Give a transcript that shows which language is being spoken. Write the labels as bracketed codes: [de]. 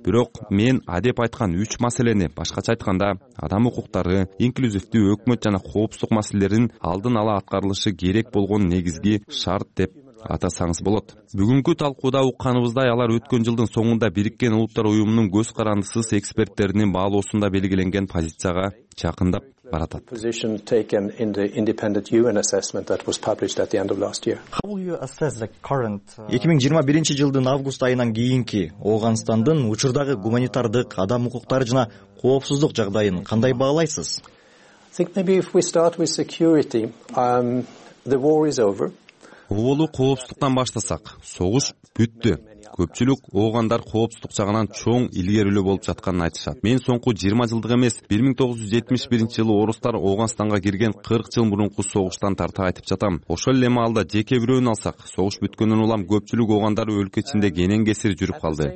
[ky] Бирок мен адеп айткан үч маселени, башкача айтканда, адам укуктары, инклюзивдүү өкмөт жана коопсуздук маселелерин алдын ала аткарылышы керек болгон негизги шарт деп атасаңыз болот. Бүгүнкү талкууда укканыбыздай, алар өткөн жылдын соңунда Бириккен Улуттар Уюмунун көз карандысыз эксперттеринин баалоосунда белгиленген позицияга жакындап баратат. [en] Position taken in the independent UN assessment that was published at the end of last year. How will you assess the current [ky] 2021 жылдын август айынан кийинки Ооганстандын учурдагы гуманитардык, адам укуктары жана коопсуздук жагдайын кандай баалайсыз? [en] Think maybe if we start with security, the war is over. [ky] Оолу коопсуздуктан баштасак, согуш бүттү. Көпчүлүк оогандар коопсуздук жагынан чоң илгерилүү болуп жатканын айтышат. Мен соңку 20 жылдык эмес, 1971 жылы орустар Ооганстанга кирген 40 жыл мурунку согуштан тарта айтып жатам. Ошол эле маалда жеке бирөөнү алсак, согуш бүткөндөн улам көпчүлүк оогандар өлкө ичинде кенен кесир жүрүп калды.